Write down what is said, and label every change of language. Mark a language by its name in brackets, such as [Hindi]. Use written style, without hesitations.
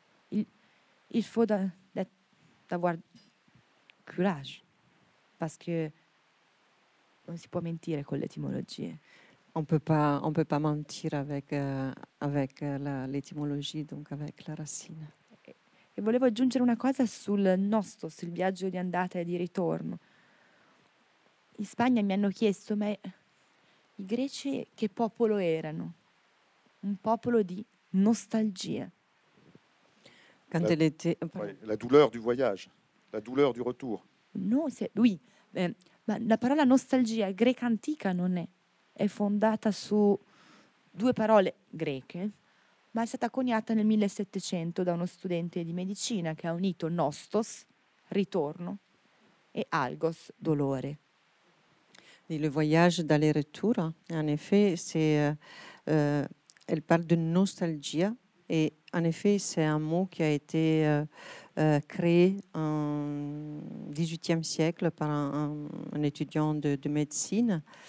[French] Il faut d'avoir courage, parce que on [Italian] si può mentire con l'etimologia. [French] On peut pas mentir avec l'etimologia, donc avec la racine. [Italian] E volevo aggiungere una cosa sul nostro, sul viaggio di andata e di ritorno. In Spagna mi hanno chiesto, ma i greci che popolo erano? Un popolo di nostalgia. [French] La douleur du voyage, la douleur du retour. No, oui. [Italian] Ma la parola nostalgia greca antica non è. È fondata su due parole greche, ma è stata coniata nel 1700 da uno studente di medicina che ha unito nostos, ritorno, e algos, dolore. [French] Il voyage d'aller-retour, en effet, c'est, elle parle de nostalgia. Et en effet, c'est un mot qui a été créé en 18e siècle par un étudiant de médecine.